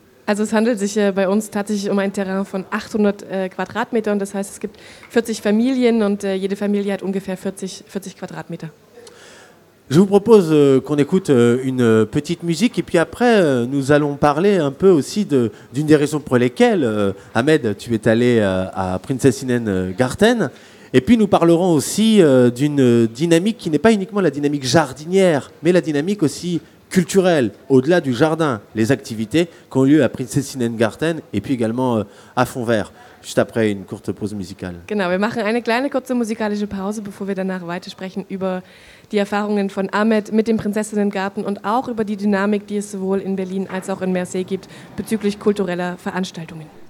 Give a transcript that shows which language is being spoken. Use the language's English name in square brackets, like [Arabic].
[German] Also es handelt sich bei uns tatsächlich um ein Terrain von 800 Quadratmeter und das heißt, es gibt 40 Familien und jede Familie hat ungefähr 40 Quadratmeter. [French] Je vous propose qu'on écoute une petite musique et puis après nous allons parler un peu aussi d'une des raisons pour lesquelles Ahmed, tu es allé à Prinzessinnengarten. Et puis nous parlerons aussi d'une dynamique qui n'est pas uniquement la dynamique jardinière, mais la dynamique aussi culturel, au-delà du jardin, les activités qui ont lieu à Prinzessinnengarten et puis également à Fonvert, juste après une courte pause musicale. [German] Genau, wir machen eine kleine kurze musikalische Pause, bevor wir danach weiter sprechen über die Erfahrungen von Ahmed mit dem Prinzessinnengarten und auch über die Dynamik, die es sowohl in Berlin als auch in Marseille gibt, bezüglich kultureller Veranstaltungen.